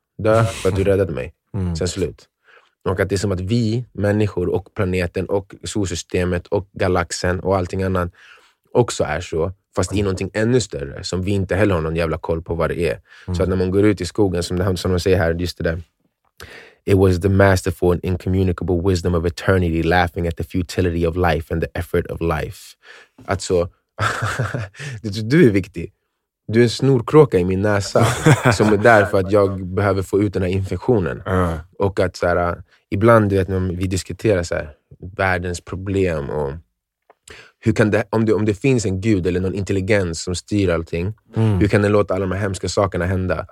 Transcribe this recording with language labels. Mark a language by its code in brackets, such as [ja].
[sv] Dö för att du räddade mig. Sen slut. Och att det är som att vi människor och planeten och solsystemet och galaxen och allting annat också är så. Fast i någonting ännu större som vi inte heller har någon jävla koll på vad det är. Så att när man går ut i skogen, som de säger här, just det där. [en] It was the masterful and incommunicable wisdom of eternity laughing at the futility of life and the effort of life. [sv] Alltså, du är viktig. Du är en snorkråka i min näsa som är där för att jag behöver få ut den här infektionen. Och att så här, ibland, du vet, när vi diskuterar så här, världens problem och hur kan det, om det finns en gud eller någon intelligens som styr allting, hur kan den låta alla de här hemska sakerna hända?